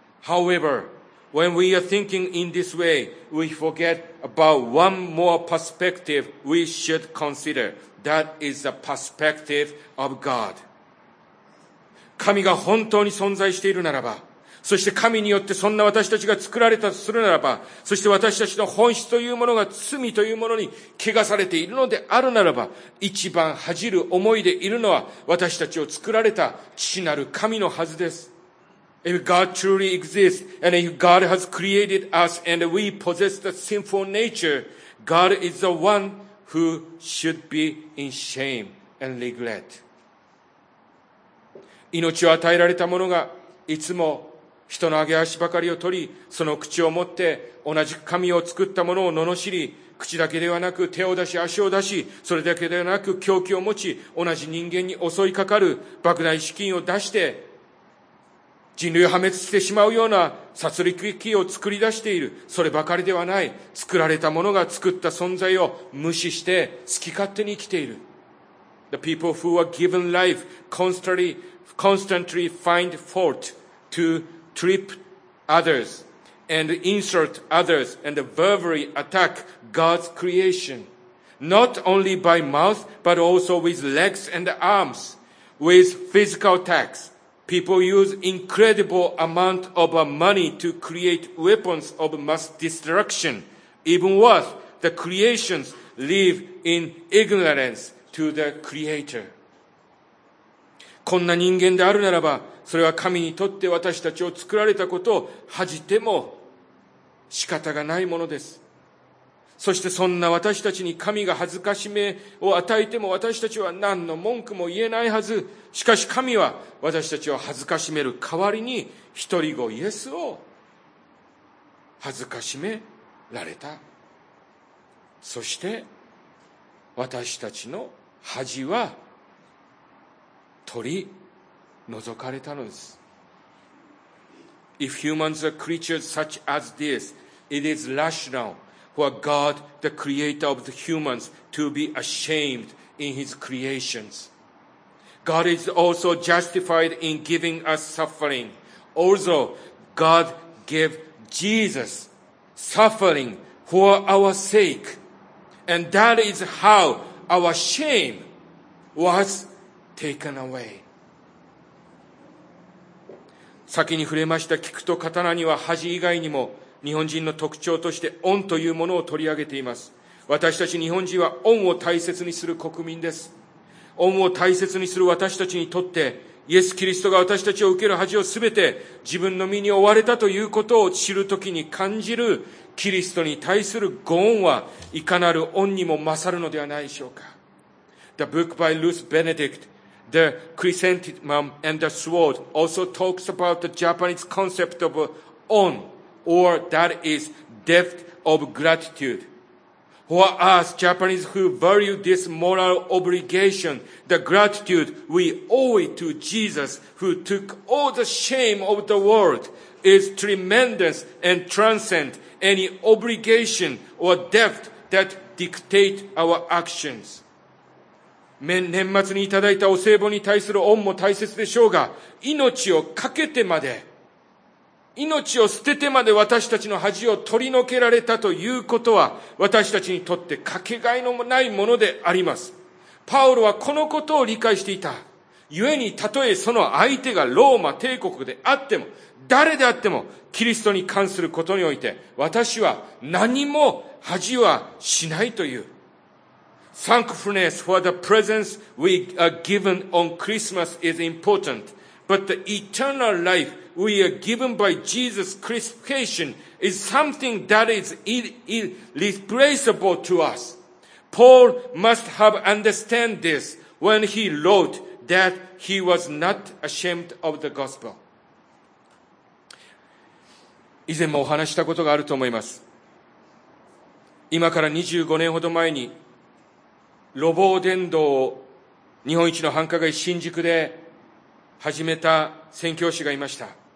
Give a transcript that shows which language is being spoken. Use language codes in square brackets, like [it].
[en] However, when we are thinking in this way, we forget about one more perspective we should consider. That is the perspective of God. [ja] 神が本当に存在しているならば、そして神によってそんな私たちが作られたとするならば、そして私たちの本質というものが罪というものに汚されているのであるならば、一番恥じる思いでいるのは私たちを作られた父なる神のはずです。 [en] If God truly exists, and if God has created us, and we possess the sinful nature, God is the one who should be in shame and regret. [ja] 命を与えられたものがいつも人の上げ足ばかりを取り、その口を持って同じ神を作ったものを罵り、口だけではなく手を出し足を出し、それだけではなく狂気を持ち、同じ人間に襲いかかる莫大資金を出して、人類を破滅してしまうような殺戮機を作り出している。そればかりではない。作られたものが作った存在を無視して好き勝手に生きている。 [en] The people who are given life constantly find fault to trip others and insult others and verbally attack God's creation. Not only by mouth, but also with legs and arms, with physical attacks. People use incredible amount of money to create weapons of mass destruction. Even worse, the creations live in ignorance to the creator. [ja] こんな人間であるならば、それは神にとって私たちを作られたことを恥じても仕方がないものです。そしてそんな私たちに神が恥ずかしめを与えても私たちは何の文句も言えないはず。しかし神は私たちを恥ずかしめる代わりに一人子イエスを恥ずかしめられた。そして私たちの恥は取り除かれたのです。 [en] If humans are creatures such as this, it is rational. For God, the creator of the humans, to be ashamed in his creations. God is also justified in giving us suffering. Also, God gave Jesus suffering for our sake. And that is how our shame was taken away. [ja] 先に触れました菊と刀には恥以外にも日本人の特徴として恩というものを取り上げています。私たち日本人は恩を大切にする国民です。恩を大切にする私たちにとってイエス・キリストが私たちを受ける恥をすべて自分の身に負われたということを知るときに感じるキリストに対するご恩はいかなる恩にも勝るのではないでしょうか。 [en] The book by Ruth Benedict The Chrysanthemum and the Sword also talks about the Japanese concept of onOr that is depth of gratitude. For us Japanese who value this moral obligation, the gratitude we owe to Jesus who took all the shame of the world is tremendous and transcends any obligation or depth that dictate our actions. [ja] 年末にいただいたお歳暮に対する恩も大切でしょうが、命をかけてまで命を捨ててまで私たちの恥を取り除けられたということは私たちにとってかけがえのないものであります。パウロはこのことを理解していた。故にたとえその相手がローマ帝国であっても誰であってもキリストに関することにおいて私は何も恥はしないという。 [en] Thankfulness for the presents we are given on Christmas is important but the eternal lifeWe are given by Jesus crucifixion is something that is irreplaceable to us. Paul must have understood this when he wrote that he was not ashamed of the gospel. [ja] 以前もお話したことがあると思います。今から25年ほど前に、路傍伝道を日本一の繁華街新宿で始めた宣教師がいました。